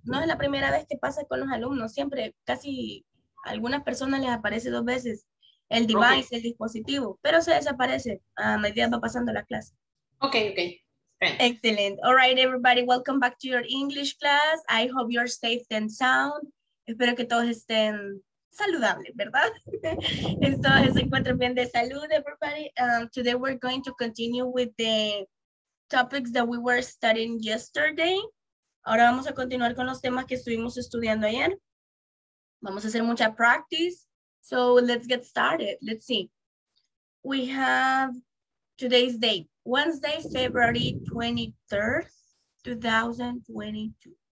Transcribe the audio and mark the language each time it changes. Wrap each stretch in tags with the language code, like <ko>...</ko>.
<es>No es la primera vez que pasa con los alumnos. Siempre, casi a algunas personas les aparece dos veces el device, okay, el dispositivo, pero se desaparece a medida va pasando la clase.</es> <en>Okay, okay. Excellent. All right, everybody, welcome back to your English class. I hope you're safe and sound.</en> <es>Espero que todos estén saludables, ¿verdad? Entonces, se encuentran bien de salud, everybody.</es> <en>Today we're going to continue with the topics that we were studying yesterday.</en> <es>Ahora vamos a continuar con los temas que estuvimos estudiando ayer. Vamos a hacer mucha practice.</es> <en>So let's get started. Let's see. We have today's date, Wednesday, February 23rd, 2022.</en>